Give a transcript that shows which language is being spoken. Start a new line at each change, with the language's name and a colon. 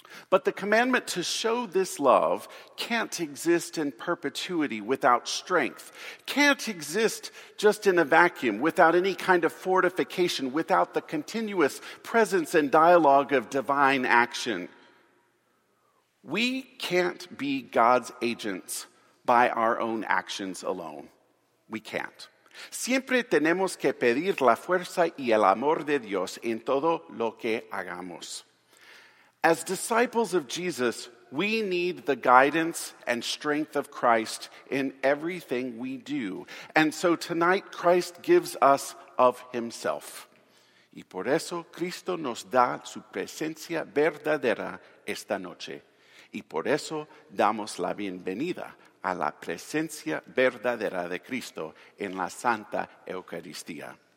English: But the commandment to show this love can't exist in perpetuity without strength, can't exist just in a vacuum without any kind of fortification, without the continuous presence and dialogue of divine action. We can't be God's agents by our own actions alone. We can't.
Spanish: Siempre tenemos que pedir la fuerza y el amor de Dios en todo lo que hagamos.
English: As disciples of Jesus, we need the guidance and strength of Christ in everything we do. And so tonight, Christ gives us of himself.
Spanish: Y por eso Cristo nos da su presencia verdadera esta noche. Y por eso damos la bienvenida a la presencia verdadera de Cristo en la Santa Eucaristía.